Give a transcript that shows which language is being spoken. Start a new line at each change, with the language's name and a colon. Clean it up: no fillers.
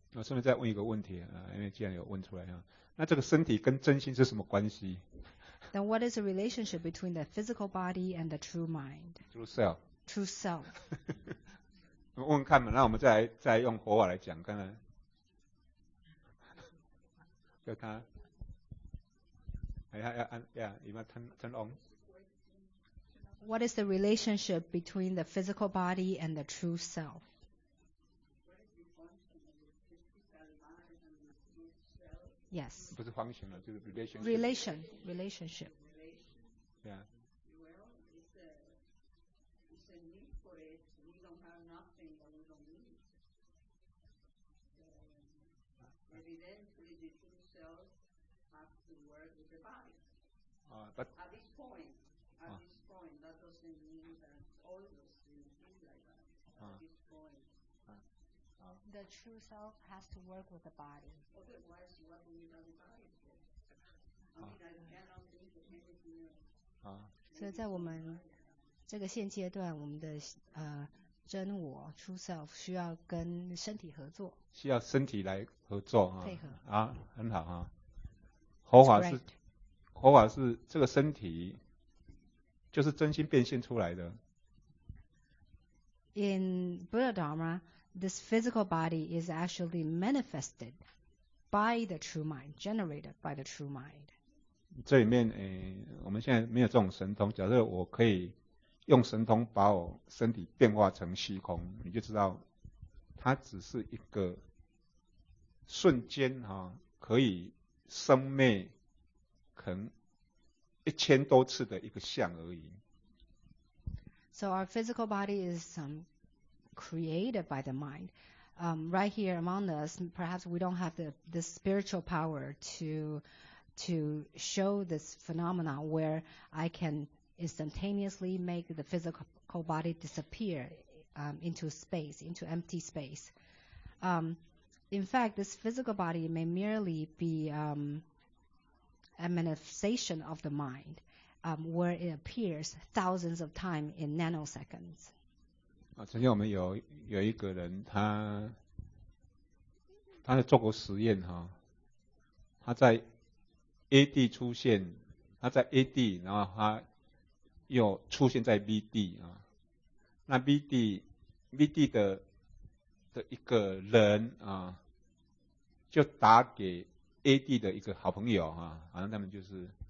Chinese: 我顺便再问一个问题啊，因为既然有问出来啊，那这个身体跟真心是什么关系
English: ？Then what is the relationship between the physical body and the true mind? True self. True self.
Chinese: 问问看嘛，那我们再用佛法来讲，看看，就他，要 turn on。
English: What is the relationship between the physical body and the true self? What is the Yes.
Chinese: 不是方形的，就是 relationship.
English: Relation, relationship. Yeah. Well, it's a need for it. We don't have nothing that we don't need. Evidently, the two cells have to work with the body. But at this point, that doesn't mean that all of those things like that. At this point. The true self has to work with the body. Otherwise, what do you need the body for? I mean, I cannot think of anything else.
Chinese: 所以在我们这个现阶段，我们的真我 true self 需要跟身体合作，需要身体来合作啊，配合啊，很好啊。佛法是、
English: Correct.
Chinese: 佛法是这个身体就是真心变现出来的。
English: In Buddha Dharma, this physical body is actually manifested by the true mind, generated by the true mind.
Chinese: 这里面我们现在没有这种神通，假设我可以用神通把我身体变化成虚空，你就知道它只是一个瞬间可以生灭可能一千多次的一个相而已。
English: So our physical body is created by the mind. Right here among us, perhaps we don't have the spiritual power to show this phenomenon where I can instantaneously make the physical body disappear into space, into empty space. In fact, this physical body may merely be a manifestation of the mind where it appears thousands of times in nanoseconds.
Chinese: 曾经我们 有一个人他在做过实验他在A 地出现，他在 A 地，然后他又出现在 B 地啊。那 B 地的一个人啊，就打给 A 地的一个好朋友啊，反正他们就是。